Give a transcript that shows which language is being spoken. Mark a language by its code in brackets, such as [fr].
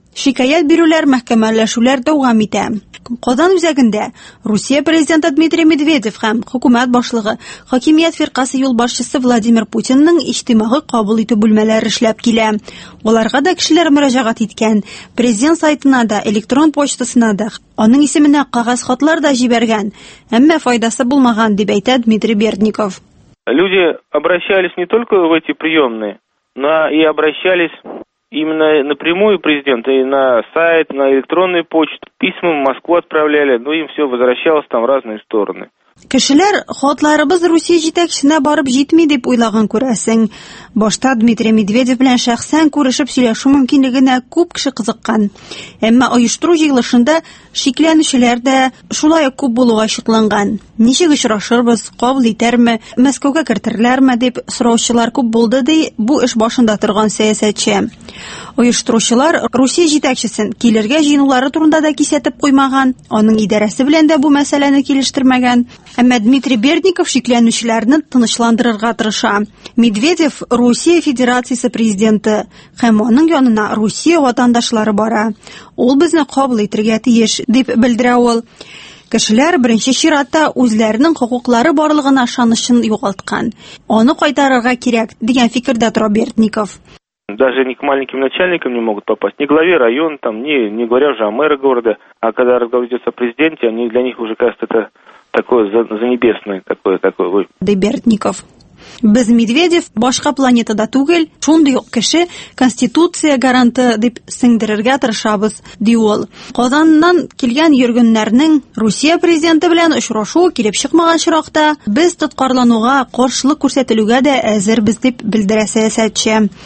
[tt] Шикаят бирүләр, мәхкәмәләшүләр дәвам итә. Казан үзәгендә Русия президенты Дмитрий Медведев һәм хөкүмәт башлыгы, хакимият фиркасы юлбашчысы Владимир Путинның иҗтимагый кабул итү бүлмәләре эшләп килә. Аларга да кешеләр мөрәҗәгать иткән, президент сайтына да, электрон почтасына да, аның исеменә кагаз хатлар да җибәргән, әмма файдасы булмаган дип әйтә Дмитрий Бердников. [ru] Люди обращались не только в эти приемные, но и обращались именно напрямую президента, и на сайт, на электронную почту, письма в Москву отправляли, но им все возвращалось там в разные стороны. [tt] Кешеләр, хатларыбыз Русия җитәкчесенә барып җитми дип уйлаган күрәсең. Башта Дмитрий Медведев белән шәхсән күрешеп сөйләшү мөмкинлегенә күп кеше кызыккан. Әмма оештыру җыелышында шикләнүчеләр дә шулай күп булуга шикләнгән. Ничек очрашырбыз, кабул итәрме, Мәскәүгә кертерләрме дип сораучылар күп булды ди бу эш башында торган сәясәтче. Оештыручылар Русия җитәкчесен килергә җыенулары турында да кисәтеп куймаган, аның идарәсе белән дә бу мәсьәләне килештермәгән. Әмма Дмитрий Бердников шикләнүчеләрне тынычландырырга тырыша. Медведев Русия Федерациясе президенты һәм аның янына Русия ватандашлары бара. Ул безне кабул итәргә тиеш дип белдерә ул. Кешеләр беренче чиратта үзләренең хокуклары барлыгына ышанычын югалткан. Аны кайтарырга кирәк дигән фикердә тора Бердников. [ru] Даже ни к маленьким начальникам не могут попасть, ни главе района, там, не говоря уже о мэре города. А когда разговор идет о президенте, они для них уже кажется это такое за небесное такое. Дебертников. [tt] Без Медведев башка планетада түгел, шундый ук кеше конституция гаранты дип сиңдерергә тырышабыз, ди ул. Казаннан килгән йөргеннәрнең Русия президенты белән очрашу килеп чыкмаган чиракта, без тоткарлануга каршылык күрсәтүгә дә әзербез дип белдерә сәясәтче.